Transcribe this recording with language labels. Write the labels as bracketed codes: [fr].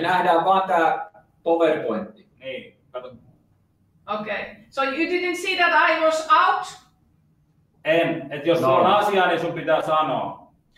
[fi] nähdään vaan tää PowerPointti. Niin, kato. [en] Okei, okay. So you didn't see that I was out? [fi] En, et jos sulla on asia, niin sun pitää sanoa.